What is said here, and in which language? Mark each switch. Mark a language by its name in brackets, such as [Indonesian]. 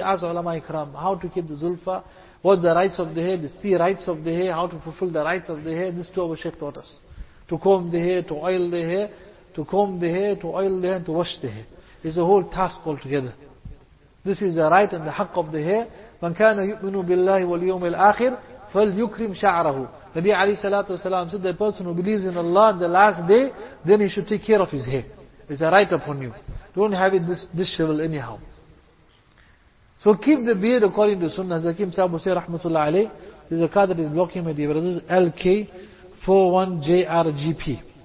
[English] Ask ulama ikram, how to keep the zulfa, what's the rights of the hair, the three rights of the hair, how to fulfill the rights of the hair. This too our Shaykh taught us. To comb the hair, to oil the hair, to comb the hair, to oil the hair, and to wash the hair. It's a whole task altogether. This is the right and the haqq of the hair. [Arabic] من كان يؤمن بالله واليوم الآخر فليكرم شعره. [English] Nabi [Arabic] عليه الصلاة والسلام [English] said, the person who believes in Allah on the last day, then he should take care of his hair. It's a right upon you. Don't have it disheveled anyhow. So keep the beard according to Sunnah. Zakim Sahib Hussain Rahmatullah Alayh, this is a card that is blocking my dear brothers, LK41JRGP.